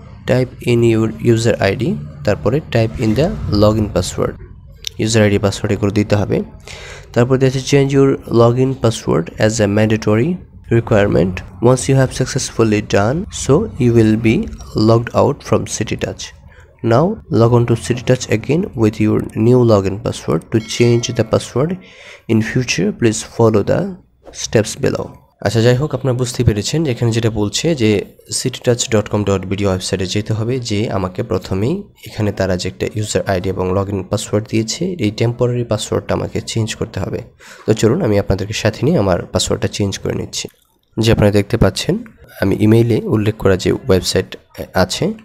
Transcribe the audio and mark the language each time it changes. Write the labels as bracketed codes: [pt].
[en] type in your user ID, তারপরে type in the log in password, user ID password [bn] এগুলো দিতে হবে। তারপর দেওয়া আছে [en] Change your log in password as a mandatory requirement, once you have successfully done so you will be logged out from CityTouch, Now log on to CityTouch again with your new login password. To change the password in future, please follow the steps below. [bn] আচ্ছা যাই হোক আপনারা বুঝতে পেরেছেন এখানে যেটা বলছে যে citytouch.com.bdo ওয়েবসাইটে যেতে হবে যে আমাকে প্রথমেই এখানে তারা যে একটা ইউজার আইডি এবং লগইন পাসওয়ার্ড দিয়েছে এই টেম্পোরারি পাসওয়ার্ডটা আমাকে চেঞ্জ করতে হবে তো চলুন আমি আপনাদেরকে সাথে নিয়ে আমার পাসওয়ার্ডটা চেঞ্জ করে নিচ্ছি যে আপনারা দেখতে পাচ্ছেন আমি ইমেইলে উল্লেখ করা যে ওয়েবসাইট আছে